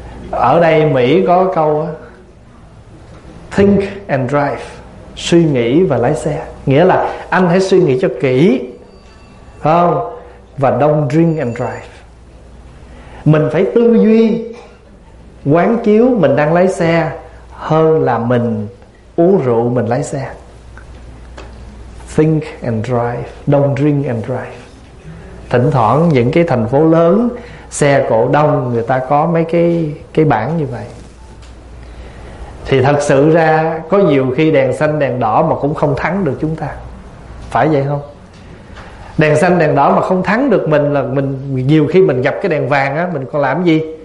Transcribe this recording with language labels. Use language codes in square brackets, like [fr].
[vi] Ở đây Mỹ có câu [en] think and drive, [vi] suy nghĩ và lái xe, nghĩa là anh hãy suy nghĩ cho kỹ, không, và [en] don't drink and drive. [vi] Mình phải tư duy, quán chiếu mình đang lái xe hơn là mình uống rượu mình lái xe. [en] Think and drive, don't drink and drive. [vi] Thỉnh thoảng những cái thành phố lớn xe cộ đông, người ta có mấy cái bảng như vậy. Thì thật sự ra có nhiều khi đèn xanh đèn đỏ mà cũng không thắng được chúng ta, phải vậy không? Đèn xanh đèn đỏ mà không thắng được mình là mình, nhiều khi mình gặp cái đèn vàng á, mình còn làm gì?